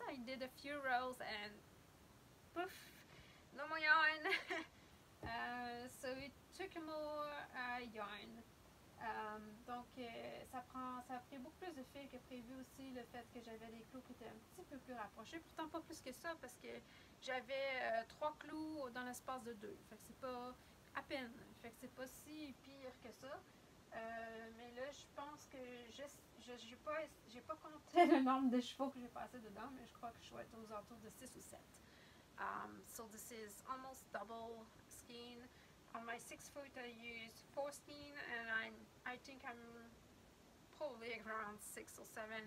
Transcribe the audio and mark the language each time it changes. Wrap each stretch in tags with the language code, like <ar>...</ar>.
<en>I did a few rows and poof, no more yarn. So it took more yarn.</en> <fr>Donc ça a pris beaucoup plus de fil que prévu aussi, le fait que j'avais des clous qui étaient un petit peu plus rapprochés, pourtant pas plus que ça parce que j'avais trois clous dans l'espace de deux, fait que c'est pas à peine, fait que c'est pas si pire que ça. Mais là je pense que j'ai pas compté le nombre de chevaux que j'ai passé dedans, mais je crois que je vais être aux alentours de 6 ou 7.</fr> <en>So this is almost double skein. On my 6 foot I use 4 skein and I think I'm probably around 6 or 7.</en>